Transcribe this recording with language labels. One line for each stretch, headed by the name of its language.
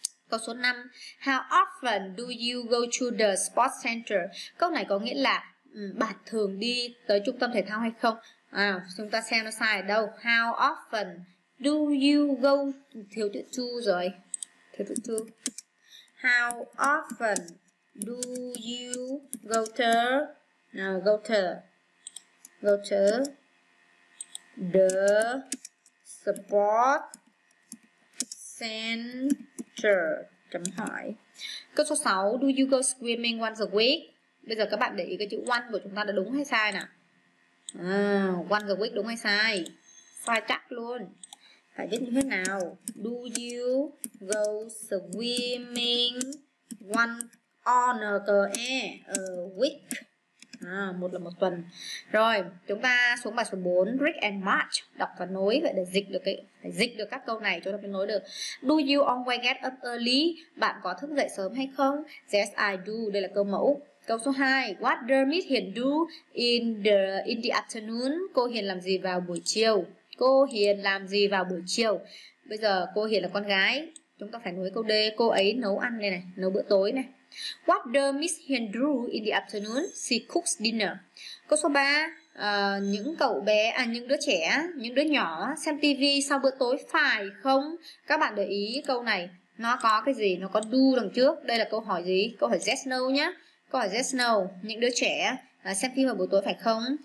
Vietnamese: Câu số 5,
English: how often do you go to the sports center?
Vietnamese: Câu này có nghĩa là bạn thường đi tới trung tâm thể thao hay không? À, chúng ta xem nó sai ở đâu.
English: How often do you go,
Vietnamese: thiếu chữ
English: to. How often do you go to the sports center?
Vietnamese: Chấm hỏi. Câu số 6,
English: do you go swimming once a week?
Vietnamese: Bây giờ các bạn để ý cái chữ one của chúng ta đã đúng hay sai nè.
English: Once a week
Vietnamese: đúng hay sai? Sai chắc luôn. Phải viết như thế nào?
English: Do you go swimming once a week?
Vietnamese: Một là một tuần. Rồi, chúng ta xuống bài số 4, Rick and March. Đọc và nối vậy để dịch được các câu này cho nó nối được.
English: Do you always get up early?
Vietnamese: Bạn có thức dậy sớm hay không?
English: Yes, I do.
Vietnamese: Đây là câu mẫu. Câu số 2,
English: what does Miss Hiền do in the afternoon?
Vietnamese: Cô Hiền làm gì vào buổi chiều? Cô Hiền làm gì vào buổi chiều? Bây giờ cô Hiền là con gái, chúng ta phải nối câu D. Cô ấy nấu ăn này, nấu bữa tối này.
English: What does Miss Hiền do in the afternoon? She cooks dinner.
Vietnamese: Câu số 3, những đứa nhỏ xem TV sau bữa tối phải không? Các bạn để ý câu này, nó có cái gì? Nó có do đằng trước. Đây là câu hỏi gì? Câu hỏi yes no nhé. Câu hỏi yes no, những đứa trẻ xem phim vào buổi tối phải không?